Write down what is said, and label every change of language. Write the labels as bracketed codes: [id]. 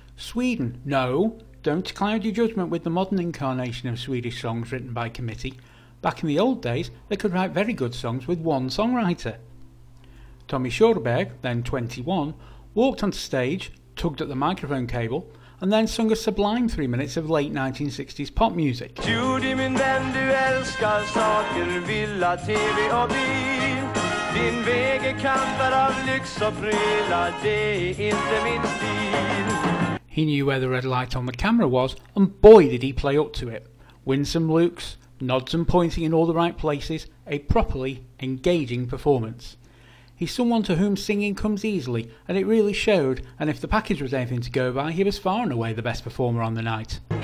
[en] Sweden, no, don't cloud your judgment with the modern incarnation of Swedish songs written by committee. Back in the old days, they could write very good songs with one songwriter. Tommy Körberg, then 21, walked onto stage, tugged at the microphone cable, and then sung a sublime 3 minutes of late 1960s pop music. [sv] Judy, min vän, du älskar saker, villa, TV och bil. Din väg är kantad av lyx och prylar, det är inte min stil. [en] He knew where the red light on the camera was, and boy did he play up to it. Winsome looks, nods and pointing in all the right places, a properly engaging performance. He's someone to whom singing comes easily, and it really showed, and if the package was anything to go by, he was far and away the best performer on the night.